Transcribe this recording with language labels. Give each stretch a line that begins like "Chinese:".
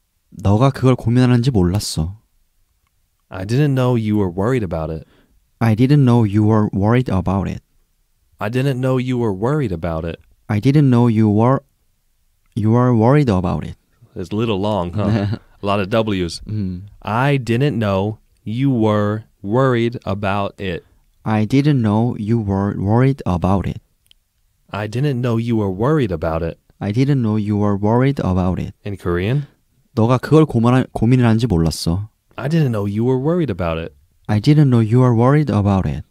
Korean: 너가 그걸 고민하는지 몰랐어.
English: I didn't know you were worried about it. I didn't know you were worried about it. I didn't know you were worried about it. I didn't know you were worried about it. It's a little long, huh? A lot of W's. Mm. I didn't know you were worried about it. I didn't know you were worried about it. I didn't know you were worried about it. I didn't know you were worried about it. In Korean?
Korean: 너가 그걸 고민을 하는지 몰랐어.
English: I didn't know you were worried about it. I didn't know you were worried about it.